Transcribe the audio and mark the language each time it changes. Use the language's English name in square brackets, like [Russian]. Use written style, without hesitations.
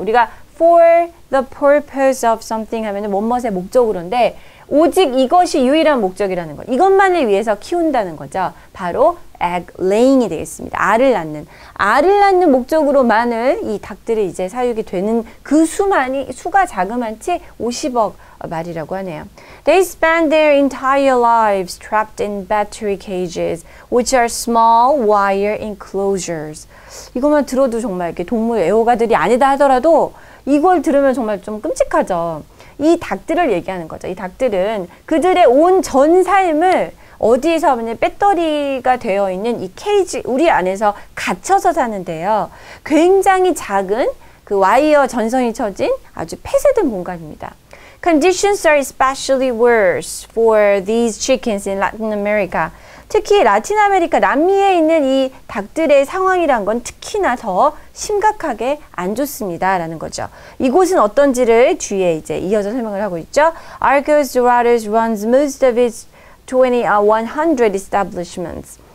[Korean] 우리가 [English] for the purpose of something [Korean] 하면 뭣뭣의 목적으로인데 오직 이것이 유일한 목적이라는 거. 이것만을 위해서 키운다는 거죠. 바로 egg laying이 되겠습니다. 알을 낳는. 알을 낳는 목적으로만을 이 닭들이 이제 사육이 되는 그 수만이, 수가 자그만치 50억 말이라고 하네요. [English] They spend their entire lives trapped in battery cages, which are small wire enclosures. [Korean] 이것만 들어도 정말 이렇게 동물 애호가들이 아니다 하더라도 이걸 들으면 정말 좀 끔찍하죠. 이 닭들을 얘기하는 거죠. 이 닭들은 그들의 온 전 삶을 어디에서 하면 배터리가 되어 있는 이 케이지, 우리 안에서 갇혀서 사는데요. 굉장히 작은 그 와이어 전선이 쳐진 아주 폐쇄된 공간입니다. [English] Conditions are especially worse for these chickens in Latin America. [Korean] 특히 라틴 아메리카, 남미에 있는 이 닭들의 상황이란 건 특히나 더 심각하게 안 좋습니다라는 거죠. 이곳은 어떤지를 뒤에 이제 이어서 설명을 하고 있죠. [English] Arcos Dorados runs most of its 100 establishments.